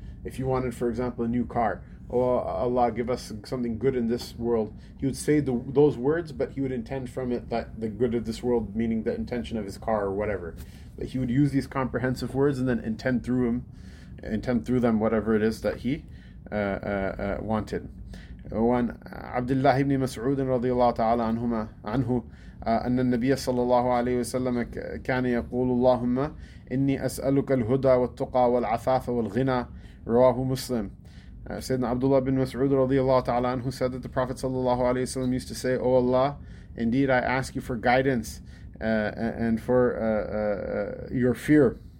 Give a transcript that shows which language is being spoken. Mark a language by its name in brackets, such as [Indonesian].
[English] If you wanted, for example, a new car, oh Allah, give us something good in this world, he would say those words, but he would intend from it that the good of this world, meaning the intention of his car or whatever. But he would use these comprehensive words and then intend through them whatever it is that he wanted. [Arabic] وعن عبد الله بن مسعود رضي الله تعالى عنه أن النبي صلى الله عليه وسلم كان يقول اللهم إني أسألك الهدى والتقى والعفاف والغنى رواه مسلم. سيدنا عبد الله بن مسعود رضي الله تعالى عنه [English] said that the Prophet [Arabic] صلى الله عليه وسلم [English] used to say, O Allah, indeed I ask you for guidance and for your fear.